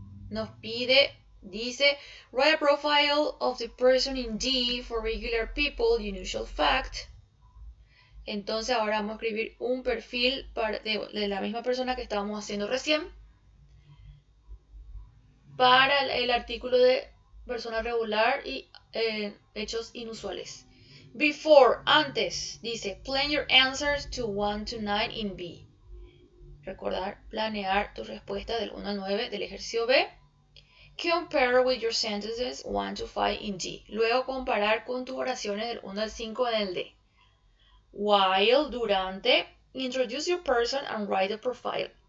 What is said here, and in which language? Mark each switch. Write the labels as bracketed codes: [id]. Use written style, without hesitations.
[es] Nos pide, dice, [en] write a profile of the person in D for regular people, unusual fact. [es] Entonces ahora vamos a escribir un perfil de la misma persona que estábamos haciendo recién. Para el artículo de persona regular y hechos inusuales. Before, antes, dice, plan your answers to 1 to 9 in B. Recordar, planear tu respuesta del 1 al 9 del ejercicio B. [en] Compare with your sentences 1 to 5 in D. [es] Luego comparar con tus oraciones del 1 al 5 en el D. [en] While, durante, introduce your person and write a profile.